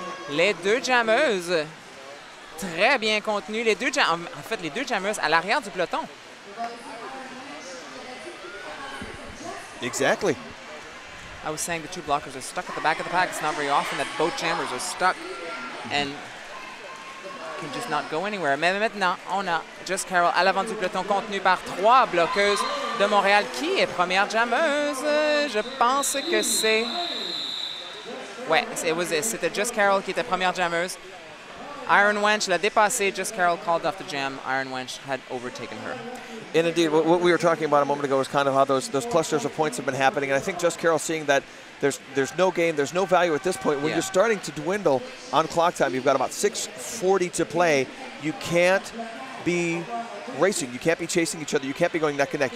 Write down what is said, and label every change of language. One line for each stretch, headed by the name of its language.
French: Les deux jammeuses, très bien contenues. Les deux jammeuses à l'arrière du peloton.
English: Exactly. I was saying the two blockers are stuck at the back of the pack. It's not very often that both jammers are stuck and can just not go anywhere.
French: Mais maintenant, on a Just Carol à l'avant du peloton, contenue par 3 bloqueuses de Montréal. Qui est première jammeuse? Je pense que c'est... Ouais, c'était Just Carol qui était première jammeuse.
English: Iron Wench
French: l'a dépassée.
English: Just Carol called off the jam. Iron Wench had overtaken her. And indeed, what we were talking about a moment ago was kind of how those clusters of points have been happening. And I think Just Carol seeing that there's no gain, there's no value at this point. When you're starting to dwindle on clock time, you've got about 6:40 to play. You can't be racing. You can't be chasing each other. You can't be going neck and neck.